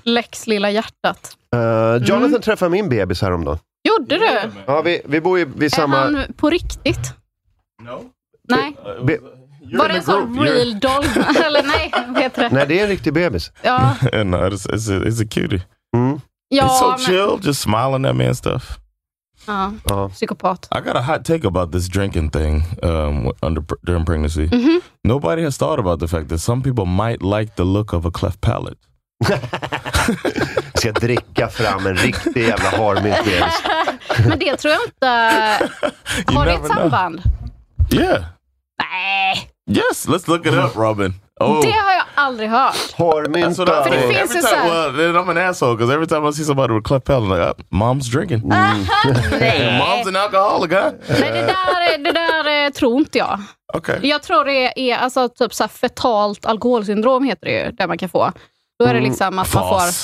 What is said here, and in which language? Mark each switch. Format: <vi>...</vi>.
<sv>Lex lilla hjärtat. Jonathan träffade min bebis häromdagen. Gjorde du? Ja, vi bor ju vid samma... Är han på riktigt?</sv> <en>No.</en> <sv>Nej. Var det en sån real doll? Eller nej, vet du. Nej, det är en riktig bebis. Ja.</sv> <en>No, it's a cutie. Mm.</en> <sv>Ja,</sv> <en>it's so chill, just smiling at me and stuff.</en> <sv>Ja, psykopat.</sv> <en>I got a hot take about this drinking thing during pregnancy. Mm-hmm. Nobody has thought about the fact that some people might like the look of a cleft palate.</en> <sv>Ska dricka fram en riktig jävla harmynt bebis. Men det tror jag inte. Har det ett samband?</sv> <en>Know. Yeah.</en> <sv>Nej.</sv> <en>Yes, let's look it up, Robin.</en> <sv>Oh. Det har jag aldrig hört. Hårmynta. För det finns ju så här.</sv> <en>Well, I'm an asshole, because every time I see somebody with cleft palate, I'm like, mom's drinking.</en> <sv>Nej.</sv> <en>Mom's an alcoholic, huh?</en> <sv>Nej, det där tror inte jag.</sv> <en>Okay.</en> <sv>Jag tror det är alltså, typ så här fetalt alkoholsyndrom heter det ju, där man kan få. Då är det liksom att man får...</sv>